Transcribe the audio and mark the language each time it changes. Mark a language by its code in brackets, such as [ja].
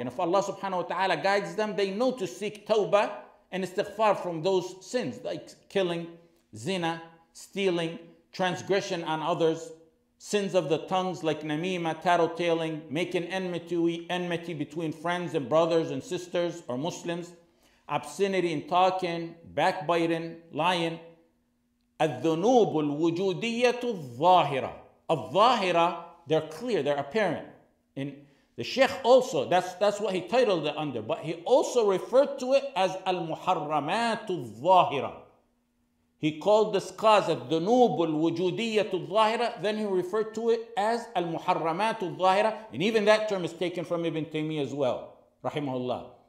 [en] And if Allah subhanahu wa ta'ala guides them, they know to seek tawbah and istighfar from those sins like killing, zina, stealing, transgression on others, sins of the tongues like namima, tattletaling, making enmity between friends and brothers and sisters or Muslims, obscenity in talking, backbiting, lying. [ar] الذنوب الوجودية الظاهرة. [en] الظاهرة, they're clear, they're apparent. And the Shaykh also, that's what he titled it under, but he also referred to it as [ar] المحرمات الظاهرة. [en] He called this cause [ar] الذنوب الوجودية الظاهرة, [en] then he referred to it as [ar] المحرمات الظاهرة, [en] and even that term is taken from Ibn Taymiyyah as well, [ar] رحمه الله.